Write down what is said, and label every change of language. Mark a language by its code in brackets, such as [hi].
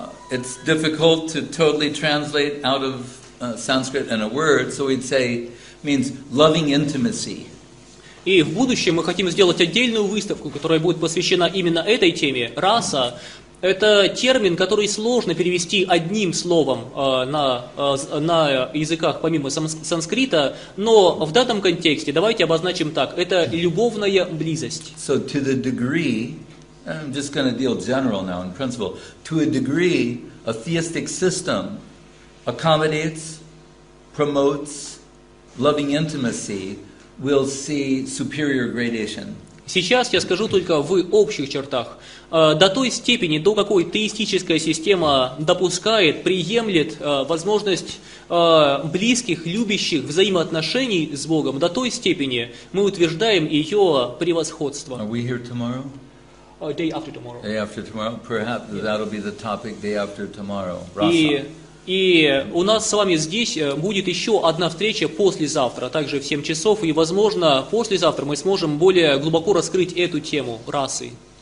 [en] It's difficult to totally translate out of Sanskrit and a word, so we'd say means loving intimacy. [ru] И в будущем мы хотим сделать отдельную выставку, которая будет посвящена именно этой теме. Раса – это термин, который сложно перевести одним словом на языках помимо санскрита, но в данном контексте давайте обозначим так – это любовная близость. [en] So to the degree, I'm just going to deal general now in principle, to a degree a theistic system accommodates, promotes loving intimacy, we'll see superior gradation. [ru] Сейчас я скажу только в общих чертах. До той степени, до какой теистическая система допускает, приемлет возможность близких, любящих взаимоотношений с Богом, до той степени мы утверждаем ее превосходство. [en] Are we here tomorrow? Day after tomorrow. Day after tomorrow. Perhaps that'll be the topic day after tomorrow. [ru] И у нас с вами здесь будет еще одна встреча послезавтра, также в 7 часов, и, возможно, послезавтра мы сможем более глубоко раскрыть эту тему расы.